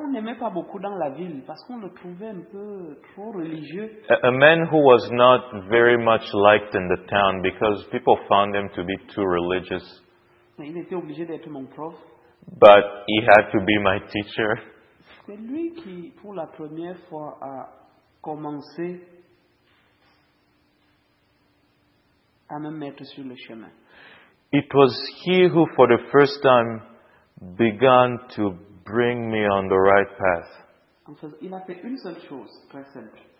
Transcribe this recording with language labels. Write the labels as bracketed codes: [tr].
[fr] on n'aimait pas beaucoup dans la ville parce qu'on le trouvait un peu trop religieux. [en] A man who was not very much liked in the town because people found him to be too religious. [fr] Il était obligé d'être mon prof. [en] But he had to be my teacher. [fr] C'est lui qui, pour la première fois, a commencé à me mettre sur le chemin. [en] It was he who, for the first time, began to bring me on the right path. [fr] En fait, il a fait une seule chose, très simple.